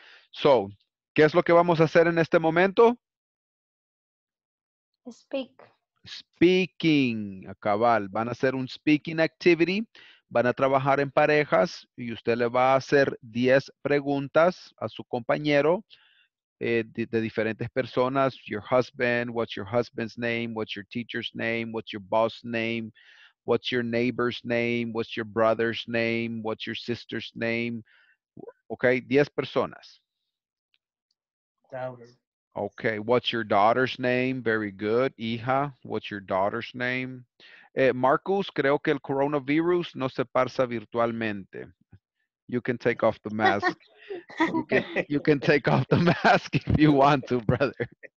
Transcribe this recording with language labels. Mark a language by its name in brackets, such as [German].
[Spanish] So, ¿qué es lo que vamos a hacer en este momento? [English] Speak. [Spanish] Speaking. A cabal. Van a hacer un speaking activity. Van a trabajar en parejas y usted le va a hacer 10 preguntas a su compañero. De diferentes personas, [English] your husband, what's your husband's name, what's your teacher's name, what's your boss name, what's your neighbor's name, what's your brother's name, what's your sister's name. Okay, 10 personas. Daughter. Okay, what's your daughter's name? Very good. Hija, what's your daughter's name? [Spanish] Marcus, creo que el coronavirus no se pasa virtualmente. [English] You can take off the mask. You can take off the mask if you want to, brother.